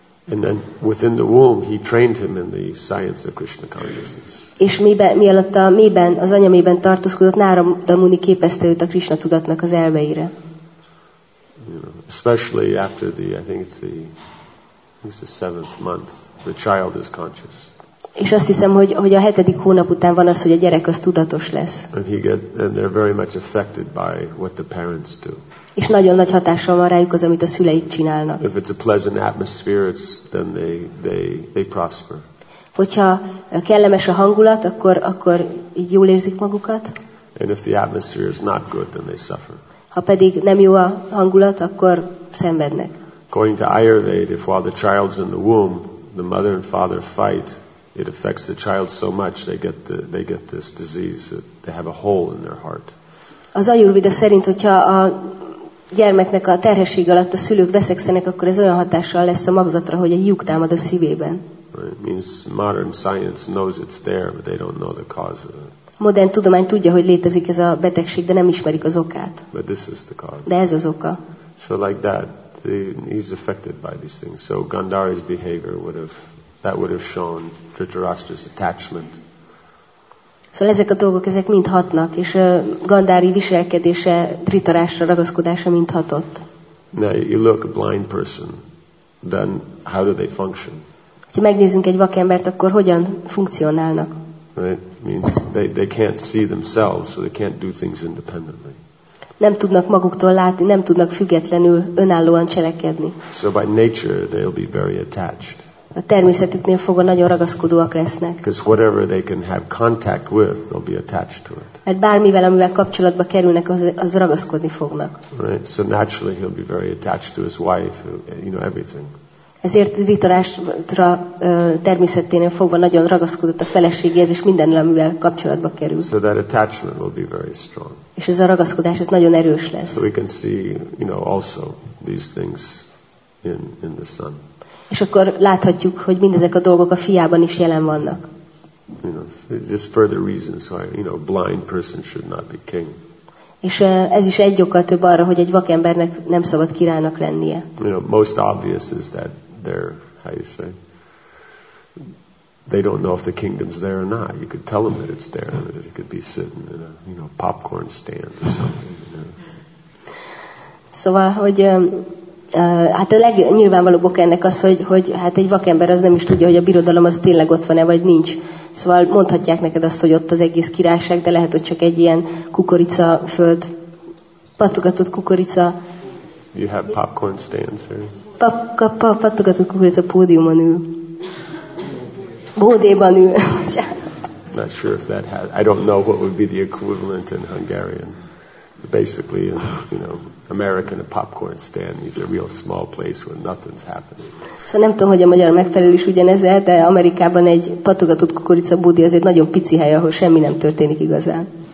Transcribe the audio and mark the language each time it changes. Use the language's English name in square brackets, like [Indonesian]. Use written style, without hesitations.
[English] And then within the womb he trained him in the science of Krishna consciousness. [Hungarian] És mielőtt a méhben, az anyamében tartózkodott, Narada Muni képezte őt a Krishna tudatnak az elveire. [English] You know, especially after the, I think it's the seventh month, the child is conscious. [Hungarian] És azt hiszem, hogy a hetedik hónap után van az, hogy a gyerek az tudatos lesz. [English] And they're very much affected by what the parents do. [Hungarian] És nagyon nagy hatással van rájuk az, amit a szüleik csinálnak. [English] If it's a pleasant atmosphere, then they prosper. [Hungarian] Hogyha kellemes a hangulat, akkor így jól érzik magukat. [English] And if the atmosphere is not good, then they suffer. [Hungarian] Ha pedig nem jó a hangulat, akkor szenvednek. [English] According to Ayurveda, if while the child's in the womb, the mother and father fight, it affects the child so much they get this disease, they have a hole in their heart. [Hungarian] Az Ayurveda szerint, hogyha a gyermeknek a terhesség alatt a szülők veszekszenek, akkor ez olyan hatással lesz a magzatra, hogy egy lyuk támad a szívében. [English] It means modern science knows it's there, but they don't know the cause of it. [Hungarian] Modern tudomány tudja, hogy létezik ez a betegség, de nem ismerik az okát. [English] But this is the cause. [Hungarian] De ez az oka. [English] So like that, he's affected by these things. So Gandhari's behavior would have, that would have shown Dhritarashtra's attachment. [Hungarian] Szóval ezek a dolgok, ezek mind hatnak, és Gandhari viselkedése, Dhritarashtra ragaszkodása mind hatott. [English] Now you look a blind person, then how do they function? [Hungarian] Ha megnézzünk egy vakembert, akkor hogyan funkcionálnak? [English] It means they can't see themselves, so they can't do things independently. [Hungarian] Nem tudnak maguktól látni, nem tudnak függetlenül, önállóan cselekedni. [English] So by nature they'll be very attached. [Hungarian] A természetüknél fogva nagyon ragaszkodóak lesznek. [English] Because whatever they can have contact with, they'll be attached to it. [Hungarian] Mert bármivel, amivel kapcsolatba kerülnek, az ragaszkodni fognak. [English] Right. So naturally he'll be very attached to his wife, you know, everything. [Hungarian] Ezért Dhritarashtra természeténél fogva nagyon ragaszkodott a feleségéhez és minden, amivel kapcsolatba kerül. [English] So that attachment will be very strong. [Hungarian] És ez a ragaszkodás, ez nagyon erős lesz. [English] So we can see, you know, also these things in the son. [Hungarian] És akkor láthatjuk, hogy mindezek a dolgok a fiában is jelen vannak. [English] You know, just further reasons why, you know, blind person should not be king. [Hungarian] És ez is egy okkal több arra, hogy egy vakembernek nem szabad királynak lennie. [English] You know, most obvious is that they're, how you say, they don't know if the kingdom's there or not. You could tell them that it's there, that it could be sitting in a, you know, popcorn stand or something. You know. [Hungarian] Szóval, hogy hát a legnyilvánvalóbb ok ennek az, hogy hát egy vakember az nem is tudja, hogy a birodalom az tényleg ott van-e, vagy nincs. Szóval mondhatják neked azt, hogy ott az egész királyság, de lehet, hogy csak egy ilyen kukorica föld, pattogatott kukorica. [English] You have popcorn stands here. [Hungarian] Pattogatott kukorica pódiumon ül. Bódéban ül. [English] Not sure if that has, I don't know what would be the equivalent in Hungarian. Basically, you know, American, a popcorn stand is a real small place where nothing's happening. [Hungarian] So nem tudom, hogy a magyar megfelelés ugyanez, de Amerikában egy patogatott kukoricabúdi az egy nagyon pici hely, ahol semmi nem történik igazán.